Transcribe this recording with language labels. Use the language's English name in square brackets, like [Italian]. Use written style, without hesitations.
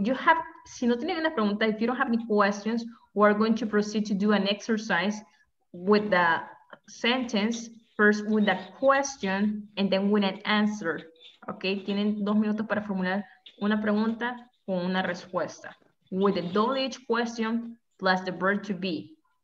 [English] You have, [Spanish] si no tiene una pregunta, [English] if you don't have any questions, we are going to proceed to do an exercise with the sentence. First with a question and then with an answer. [Spanish] Okay, tienen 2 minutos para formular una pregunta con una respuesta. [English] With the WH question plus the verb to be.